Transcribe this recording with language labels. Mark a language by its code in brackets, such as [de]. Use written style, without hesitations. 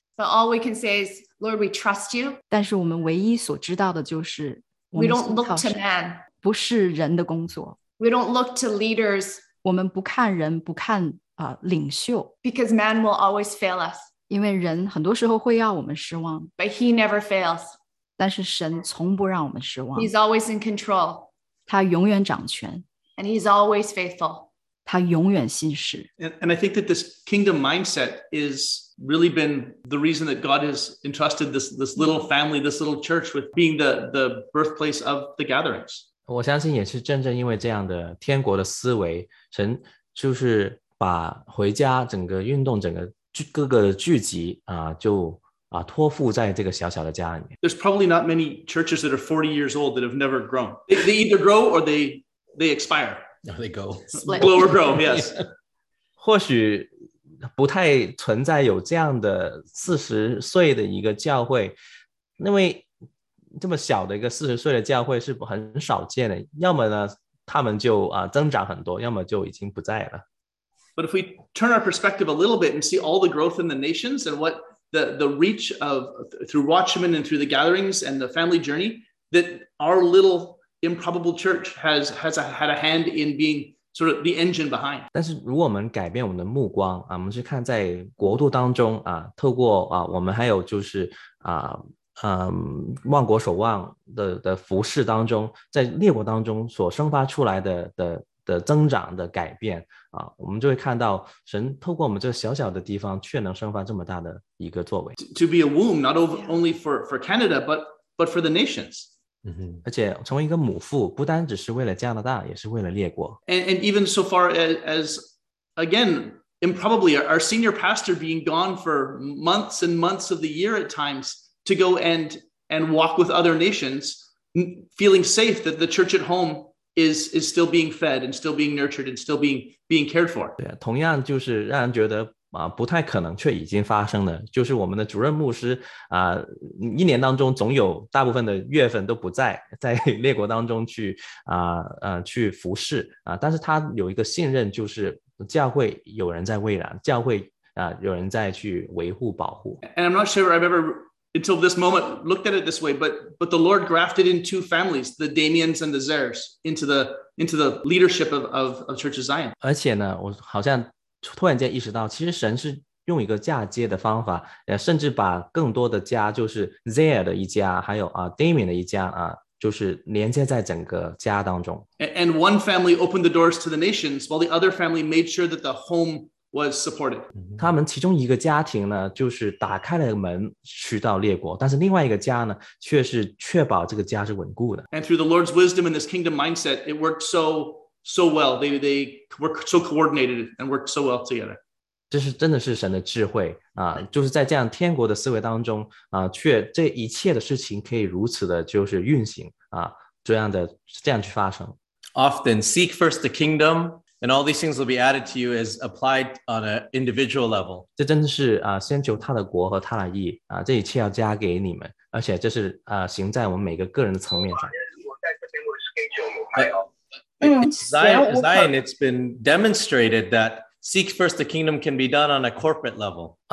[en] But all we can say is, Lord, we trust you. [zh] 但是我们唯一所知道的就是, [en] we don't look to man. [zh] 不是人的工作。 [en] We don't look to leaders. [zh] 我们不看人，不看 领袖, [en] because man will always fail us. [zh] 因为人很多时候会要我们失望, [en] but he never fails. [zh] 但是神从不让我们失望。 [en] He's always in control. [zh] 他永远掌权。 [en] And he's always faithful. [zh] 他永远信实。 [en] And I think that this kingdom mindset is really been the reason that God has entrusted this little family, this little church with being the birthplace of the gatherings. [zh] 我相信也是真正因为这样的天国的思维，神就是把回家整个运动整个各个的聚集啊，就啊托付在这个小小的家里面。 [en] There's probably not many churches that are 40 years old that have never grown. They either grow or they expire. They go blow or grow. Yes. [zh] 或许不太存在有这样的四十岁的一个教会，因为这么小的一个四十岁的教会是很少见的。要么呢，他们就啊增长很多，要么就已经不在了。 [en] But if we turn our perspective a little bit and see all the growth in the nations and what the reach of through Watchmen and through the gatherings and the family journey, that our little improbable church has had a hand in being sort of the engine behind. [zh] 但是如果我们改变我们的目光啊，我们去看在国度当中啊，透过啊，我们还有就是啊，万国守望的服事当中，在列国当中所生发出来的增长的改变啊，我们就会看到神透过我们这小小的地方却能生发这么大的一个作为。 [en] To be a womb, not only for Canada, but for the nations. [zh] 而且成为一个母腹，不单只是为了加拿大，也是为了列国。 [en] And even so far as, again, improbably, our senior pastor being gone for months and months of the year at times to go and walk with other nations, feeling safe that the church at homeis still being fed and still being nurtured and still being cared for. [zh] 对啊，同样就是让人觉得啊不太可能却已经发生了，就是我们的主任牧师啊，一年当中总有大部分的月份都不在列国当中去去服侍啊，但是他有一个信任，就是教会有人在喂养，教会啊有人在去维护保护。 [en] And I'm not sure I've ever until this moment looked at it this way, but the Lord grafted in two families, the Damians and the Zeres, into the leadership of Church of Zion. [zh] 而且呢，我好像突然间意识到，其实神是用一个嫁接的方法，甚至把更多的家，就是 Zere 的一家，还有Damian 的一家啊，就是连接在整个家当中。 [en] And one family opened the doors to the nations, while the other family made sure that the home was supported. [zh] 他们其中一个家庭呢，就是打开了门去到列国，但是另外一个家呢，却是确保这个家是稳固的。 [en] And through the Lord's wisdom and this kingdom mindset, it worked so well. They were so coordinated and worked so well together. [zh] 这是真的是神的智慧啊！就是在这样天国的思维当中啊，却这一切的事情可以如此的，就是运行啊，这样去发生。 [en] Often seek first the kingdom. And all these things will be added to you as applied on an individual level. [zh] 这真的是先求他的国和他的义这一切要加给你们，而且这是行在我们每个个人的层面上。 [en] Zion, it's been demonstrated that seek first the kingdom can be done on a corporate level.